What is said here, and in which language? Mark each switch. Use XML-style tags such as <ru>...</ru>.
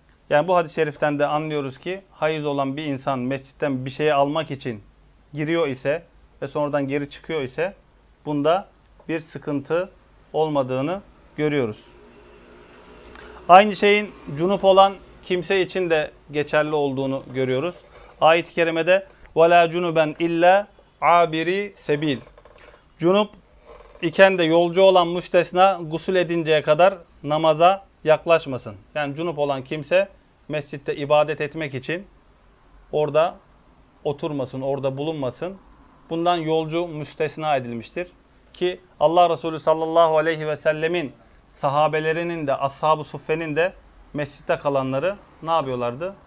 <tr>Yani bu hadis-i şeriften de anlıyoruz ki hayız olan bir insan mescitten bir şey almak için giriyor ise ve sonradan geri çıkıyor ise bunda bir sıkıntı olmadığını görüyoruz. Aynı şeyin cunup olan kimse için de geçerli olduğunu görüyoruz. Ayet-i kerimede</tr> <ar>وَلَا جُنُبًا اِلَّا عَابِر۪ي سَب۪يل.</ar> <tr>Cunup iken de yolcu olan müstesna gusül edinceye kadar namaza yaklaşmasın. Yani cunup olan kimse mescitte ibadet etmek için orada oturmasın, orada bulunmasın. Bundan yolcu müstesna edilmiştir. Ki Allah Resulü sallallahu aleyhi ve sellemin sahabelerinin de, ashab-ı suffenin de mescitte kalanları ne yapıyorlardı?</tr>